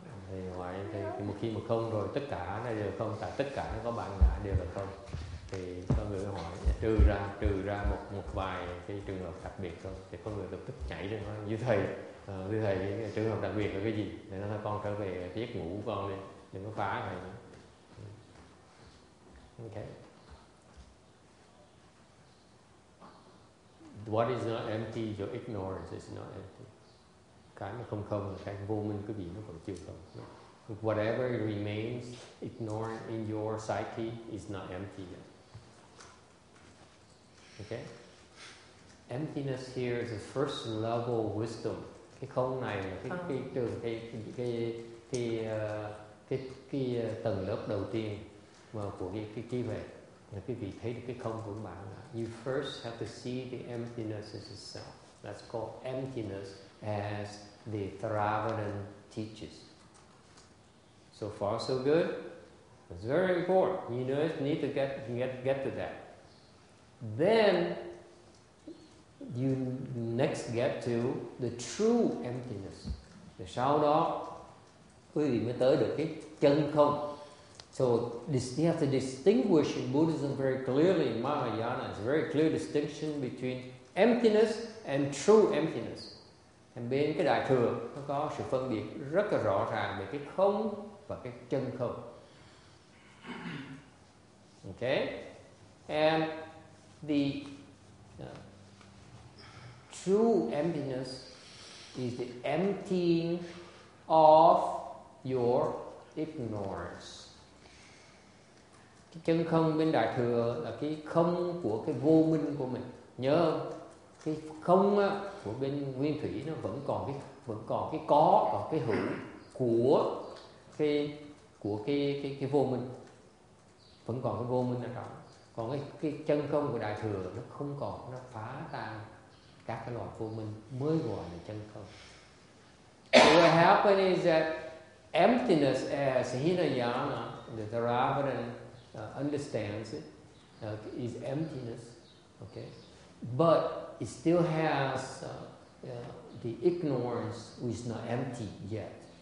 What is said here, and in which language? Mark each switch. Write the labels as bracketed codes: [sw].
[vi] Thì ngoài thì một khi mà không rồi tất cả nó đều không, tại tất cả nó có bản ngã đều là không, thì con người hỏi trừ ra một vài cái trường hợp đặc biệt thôi, thì con người lập tức nhảy lên nói như thầy cái trường hợp đặc biệt là cái gì, để nó con trở về giấc ngủ của con đi, đừng có phá thầy. [en] Okay, what is not empty, your ignorance is not empty. [vi] Cái mà không không là cái vô minh quý vị nó còn chưa không. [en] Whatever remains ignored in your psyche is not empty yet. Okay? Emptiness here is the first level of wisdom. [vi] Cái không này là cái tầng lớp đầu tiên mà của cái trí huệ. Là quý vị thấy được cái không của bạn. [en] You first have to see the emptiness as itself. That's called emptiness as the Theravadan teaches. So far, so good. It's very important. You know, you need to get to that. Then you next get to the true emptiness. [vi] Thì sau đó quý vị mới tới được cái chân không. [en] So this, you have to distinguish in Buddhism very clearly. In Mahayana, it's a very clear distinction between emptiness and true emptiness. [vi] Bên cái đại thừa nó có sự phân biệt rất là rõ ràng về cái không và cái chân không. [en] Okay, and the true emptiness is the emptying of your ignorance. [vi] Cái chân không bên đại thừa là cái không của cái vô minh của mình, nhớ không? Cái không á, của bên nguyên thủy nó vẫn còn cái có và cái hữu của cái vô minh, vẫn còn cái vô minh ở đó. Còn cái chân không của đại thừa nó không còn, nó phá tan các cái loại vô minh mới gọi là chân không. [en] So what happened is that emptiness as Hinayana, the Theravadan understands it, is emptiness, okay? But it still has the ignorance which is not empty yet.